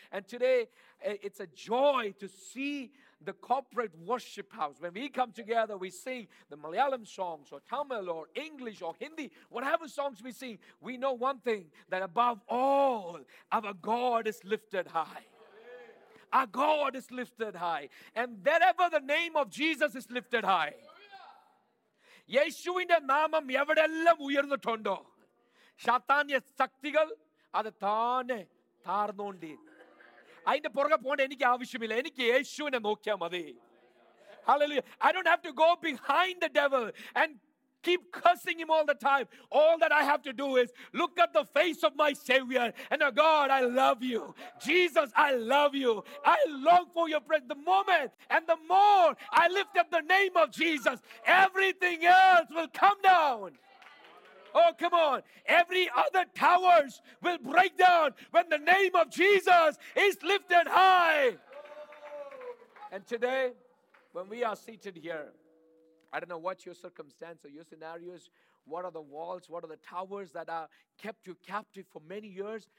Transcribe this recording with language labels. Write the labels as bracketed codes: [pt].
[en] And today, it's a joy to see the corporate worship house. When we come together, we sing the Malayalam songs or Tamil or English or Hindi, whatever songs we sing, we know one thing, that above all, our God is lifted high. Our God is lifted high. And wherever the name of Jesus is lifted high, [ml] യേശുവിന്റെ നാമം എവിടെയെല്ലാം ഉയർന്നിട്ടുണ്ടോ ശാത്താന്റെ ശക്തികൾ അത് താനെ താർന്നോണ്ടി അതിന്റെ പുറകെ പോകേണ്ട എനിക്ക് ആവശ്യമില്ല എനിക്ക് യേശുവിനെ നോക്കിയാൽ മതി [en] Hallelujah I don't have to go behind the devil and keep cursing him all the time all that I have to do is look at the face of my saviour and oh God I love you Jesus I love you I long for your presence the moment and the more I lift up the name of Jesus everything else will come down Oh, come on. Every other towers will break down when the name of Jesus is lifted high. And today, when we are seated here, I don't know what your circumstance or your scenarios, what are the walls, what are the towers that are kept you captive for many years.